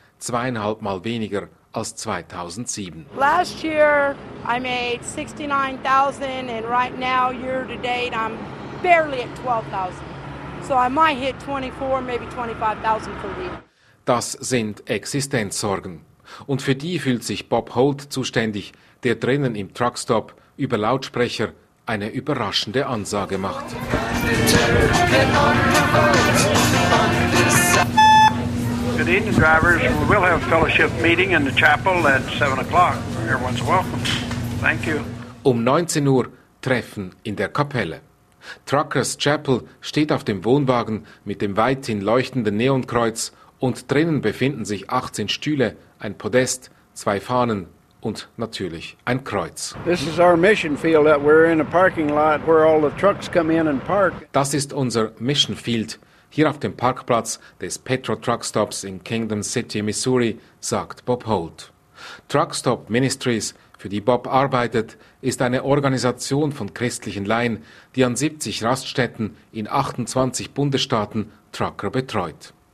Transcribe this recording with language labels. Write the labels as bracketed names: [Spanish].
[German] 2,5 Mal weniger als 2007. [English] Last year I made 69,000 and right now year to date I'm barely at 12,000. So I might hit 24, maybe 25,000 for the year. [German] Das sind Existenzsorgen. Und für die fühlt sich Bob Holt zuständig, der drinnen im Truckstop über Lautsprecher eine überraschende Ansage macht. [English] Good evening, drivers. We will have a fellowship meeting in the chapel at 7 o'clock. Everyone's welcome. Thank you. [German] Um 19 Uhr Treffen in der Kapelle. Truckers Chapel steht auf dem Wohnwagen mit dem weithin leuchtenden Neonkreuz und drinnen befinden sich 18 Stühle, ein Podest, zwei Fahnen und natürlich ein Kreuz. [English] This is our mission field that we're in a parking lot where all the trucks come in and park. [German] Das ist unser Mission Field. Hier auf dem Parkplatz des Petro Truck Stops in Kingdom City, Missouri, sagt Bob Holt. Truck Stop Ministries, für die Bob arbeitet, ist eine Organisation von christlichen Laien, die an 70 Raststätten in 28 Bundesstaaten Trucker betreut.